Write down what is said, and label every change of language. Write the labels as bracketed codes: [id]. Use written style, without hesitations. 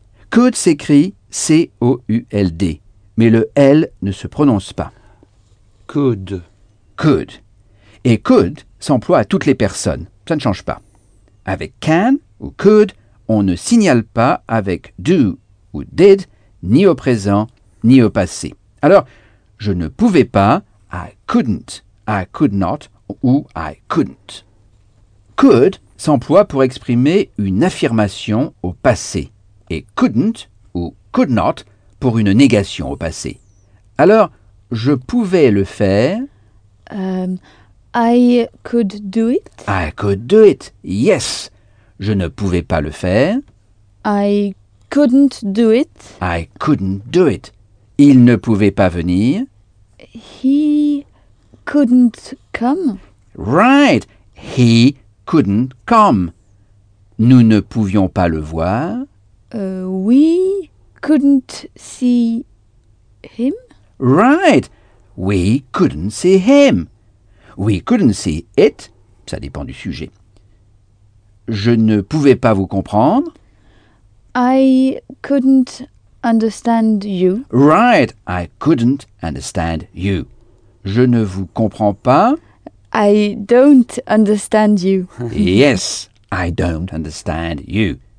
[fr] Could s'écrit C-O-U-L-D, mais le L ne se prononce pas. [en] Could. Could. [fr] Et could s'emploie à toutes les personnes. Ça ne change pas. Avec can ou could, on ne signale pas avec do ou did, ni au présent, ni au passé. Alors, je ne pouvais pas, [en] I couldn't, I could not, [fr] ou [en] I couldn't. [fr] Could s'emploie pour exprimer une affirmation au passé, et couldn't ou could not pour une négation au passé. Alors, je pouvais le faire... [en] I could do it. I could do it, yes. [fr] Je ne pouvais pas le faire. [en] I couldn't do it. I couldn't do it. [fr] Il ne pouvait pas venir. [en] He couldn't come. Right. He couldn't come. [fr] Nous ne pouvions pas le voir. [en] We couldn't see him. Right. We couldn't see him. We couldn't see it. [fr] Ça dépend du sujet. Je ne pouvais pas vous comprendre. [en] I couldn't understand you. Right, I couldn't understand you. [fr] Je ne vous comprends pas. [en] I don't understand you. Yes, I don't understand you.